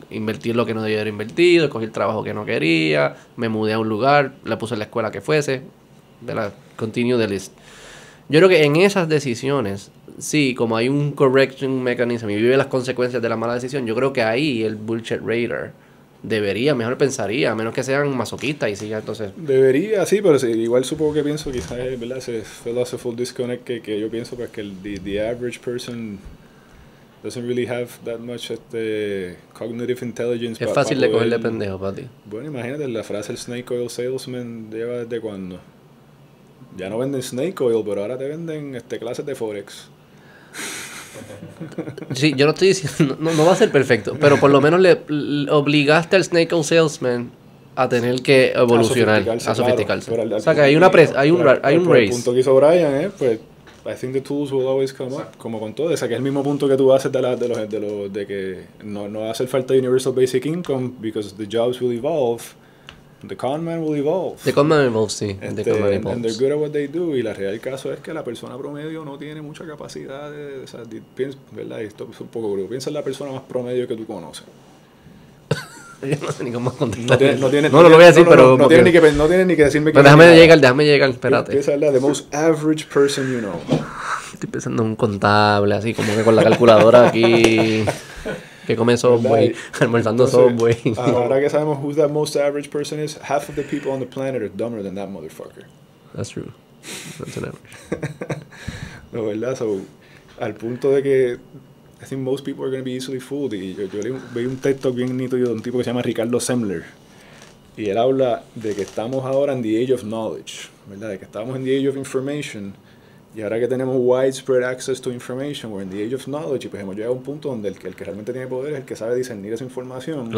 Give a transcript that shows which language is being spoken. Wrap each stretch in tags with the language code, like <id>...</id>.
<es>Invertir lo que no debía haber invertido, escogí el trabajo que no quería, me mudé a un lugar, la puse en la escuela que fuese, ¿verdad?</es> <en>Continue the list.</en> <es>Yo creo que en esas decisiones, sí, como hay un correction mechanism y vive las consecuencias de la mala decisión, yo creo que ahí el bullshit rater debería, mejor pensaría, a menos que sean masoquistas y siga entonces... Debería, sí, pero sí, igual supongo que pienso, quizás, ¿verdad? Ese philosophical disconnect que yo pienso, pues que</es> <en>the average person doesn't really have that much cognitive intelligence.</en> <es>Es fácil de cogerle pendejo para ti. Bueno, imagínate, la frase el snake oil salesman lleva desde cuando. Ya no venden snake oil, pero ahora te venden clases de Forex. Sí, yo no estoy diciendo, no va a ser perfecto, pero por lo menos le obligaste al Snake Oil Salesman a tener que evolucionar, a sofisticarse. Claro, o sea, que hay una presa, hay un race. El punto que hizo Brian es, pues,</es> <en>I think the tools will always come up,</en> <es>como con todo. O sea, que es el mismo punto que tú haces de que no hace falta universal basic income,</es> <en>because the jobs will evolve, the con man will evolve. The con man evolves, sí. And they're good at what they do.</en> <es>Y la realidad del caso es que la persona promedio no tiene mucha capacidad de, o sea, piensa, ¿verdad? Esto es un poco crudo. Piensa en la persona más promedio que tú conoces. Yo no sé ni cómo contestar. No, lo voy a decir, pero... No tienes ni que decirme que... Déjame llegar, espérate. Esa es la</es> <en>the most average person you know.</en> <es>Estoy pensando en un contable, así como que con la calculadora aquí... Que come Subway, almorzando Subway. Ahora que sabemos</es> <en>who the most average person is, half of the people on the planet are dumber than that motherfucker. That's true. That's an average.</en> <es>No, ¿verdad? So, al punto de que...</es> <en>I think most people are going to be easily fooled.</en> <es>Y yo vi un texto bien bonito de un tipo que se llama Ricardo Semler. Y él habla de que estamos ahora en</es> <en>the age of knowledge,</en> <es>¿verdad? De que estamos en</es> <en>the age of information.</en> <es>Y ahora que tenemos</es> <en>widespread access to information, we're in the age of knowledge.</en> <es>Y pues hemos llegado a un punto donde el que realmente tiene poder es el que sabe discernir esa información.</es>